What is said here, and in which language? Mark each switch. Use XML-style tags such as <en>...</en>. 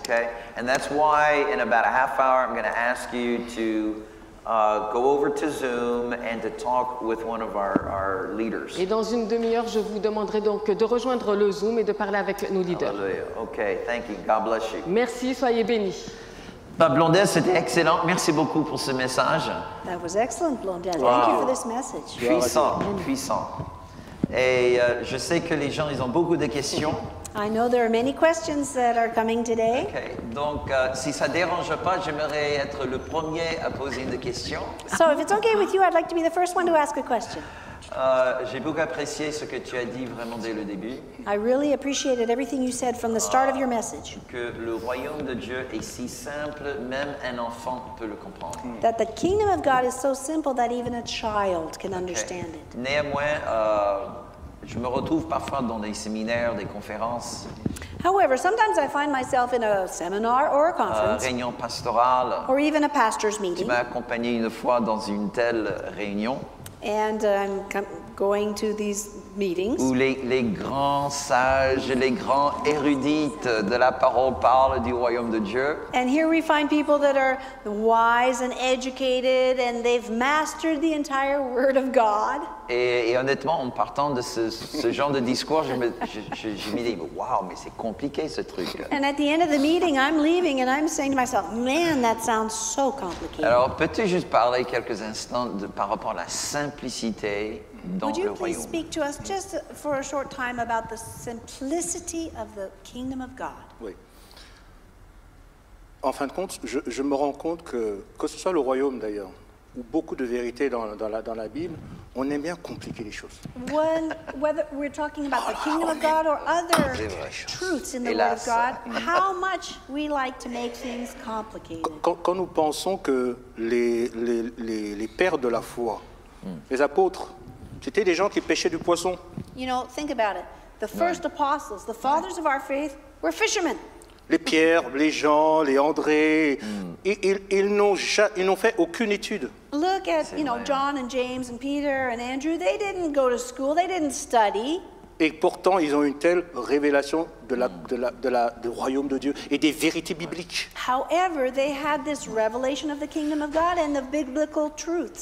<en>Okay, and that's why in about a half hour I'm going to ask you to go over to Zoom and to talk with one of our leaders.</en> <fr>Et dans une demi-heure, je vous demanderai donc de rejoindre le Zoom et de parler avec nos leaders.</fr> <en>Hallelujah. Okay, thank you. God bless you.</en> <fr>Merci, soyez bénis. Bah, Blondel, c'était excellent. Merci beaucoup pour ce message.</fr> <en>That was excellent, Blondel. Wow. Thank you for this message.</en> <fr>Puissant, yeah, puissant. Et je sais que les gens, ils ont beaucoup de questions.</fr> <en>I know there are many questions that are coming today. Okay.</en> <fr>Donc, si ça ne dérange pas, j'aimerais être le premier à poser une question.</fr> <en>So, if it's okay with you, I'd like to be the first one to ask a question.</en> <fr>J'ai beaucoup apprécié ce que tu as dit vraiment dès le début.</fr> <en>I really appreciated everything you said from the start of your message.</en> <fr>Que le royaume de Dieu est si simple, même un enfant peut le comprendre.</fr> <en>That the kingdom of God is so simple that even a child can understand it.</en> <fr>Néanmoins, je me retrouve parfois dans des séminaires, des conférences.</fr> <en>However, sometimes I find myself in a seminar or a conference.</en> <fr>Réunion pastorale.</fr> <en>Or even a pastor's meeting.</en> <fr>Tu m'as accompagné une fois dans une telle réunion.</fr> <en>And I'm going to these meetings.</en> <fr>Où les grands sages, les grands érudits de la parole parlent du royaume de Dieu.</fr> <en>And here we find people that are wise and educated, and they've mastered the entire word of God.</en> <fr>Et honnêtement, en partant de ce genre de discours, je me dis, wow, mais c'est compliqué ce truc.</fr> <en>And at the end of the meeting, I'm leaving, and I'm saying to myself, man, that sounds so complicated.</en> <fr>Alors, peux-tu juste parler quelques instants par rapport à la simplicité dans le royaume?</fr> <en>Would you please speak to us just for a short time about the simplicity of the kingdom of God?</en> <fr>Oui. En fin de compte, je me rends compte que ce soit le royaume d'ailleurs, ou beaucoup de vérités dans la Bible, on aime bien compliquer les choses.</fr> <en>Whether we're talking about the kingdom of God or other truths in the word of God, how much we like to make things complicated.</en> <fr>Quand nous pensons que les pères de la foi, les apôtres, c'était des gens qui pêchaient du poisson.</fr> <en>You know, think about it. The first apostles, the fathers of our faith, were fishermen.</en> <fr>Les Pierre, les Jean, les André, ils n'ont fait aucune étude.</fr> <en>Look at, you know, John and James and Peter and Andrew, they didn't go to school, they didn't study.</en> <fr>Et pourtant, ils ont une telle révélation du royaume de Dieu et des vérités bibliques.</fr> <en>However, they had this revelation of the kingdom of God and the biblical truths.</en>